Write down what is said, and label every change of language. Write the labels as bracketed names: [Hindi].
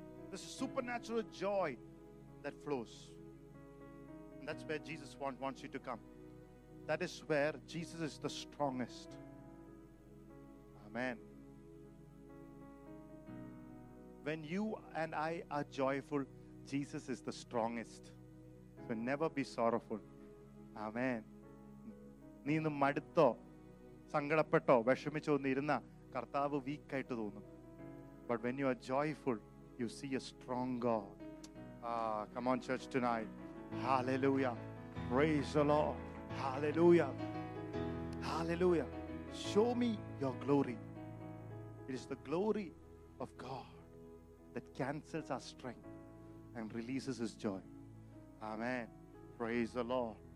[English] There's a supernatural joy that flows. And that's where Jesus wants you to come. That is where Jesus is the strongest. Amen. When you and I are joyful, Jesus is the strongest. So never be sorrowful. Amen. [Malayalam] നീ ഇന്ന് മടുത്തോ സങ്കടപ്പെട്ടോ വിഷമിച്ചോ ഒന്ന് ഇരുന്ന കർത്താവ് week ആയിട്ട് തോന്നും. [English] But when you are joyful, you see a strong God. Come on, church, tonight. Hallelujah. Praise the Lord. Hallelujah. Hallelujah. Show me your glory. It is the glory of God that cancels our strength and releases his joy. Amen. Praise the Lord.